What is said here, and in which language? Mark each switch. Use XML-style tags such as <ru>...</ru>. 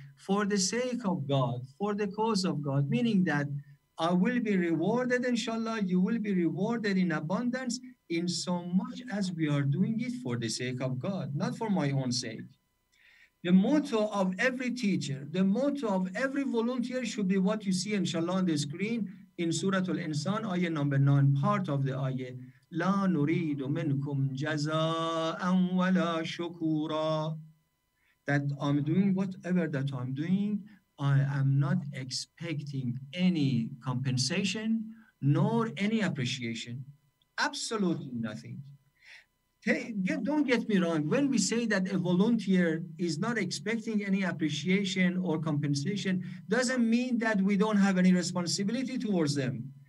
<en>For the sake of God, for the cause of God, meaning that I will be rewarded, inshallah, you will be rewarded in abundance, in so much as we are doing it for the sake of God, not for my own sake. The motto of every teacher, the motto of every volunteer should be what you see, inshallah, on the screen in Surah Al-Insan, ayah number 9, part of the ayah.</en> <ar>لا نريد منكم جزاء ولا شكورا.</ar> <en>That I'm doing whatever that I'm doing, I am not expecting any compensation nor any appreciation. Absolutely nothing. Don't get me wrong. When we say that a volunteer is not expecting any appreciation or compensation, doesn't mean that we don't have any responsibility towards them.</en>